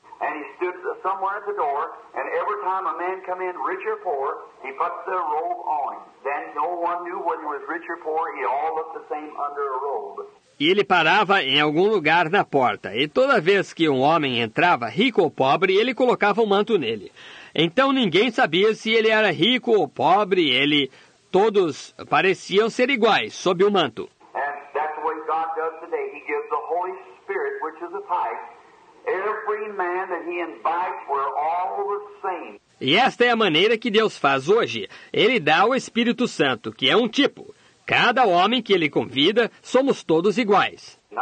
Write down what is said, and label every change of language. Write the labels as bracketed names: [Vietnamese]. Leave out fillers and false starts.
[English] And he stood somewhere at the door, and every time a man came in, rich or poor, he put the robe on him. Then no one knew whether he was rich or poor, he all looked the same under a robe. [Portuguese] E ele parava em algum lugar na porta, e toda vez que um homem entrava, rico ou pobre, ele colocava um manto nele. Então ninguém sabia se ele era rico ou pobre, ele todos pareciam ser iguais, sob o manto. [English] And that's what God does today. He gives the Holy Spirit, which is a type. Every man that he invites, we're all the same. [Portuguese] E esta é a maneira que Deus faz hoje. Ele dá o Espírito Santo, que é um tipo. Cada homem que ele convida, somos todos iguais.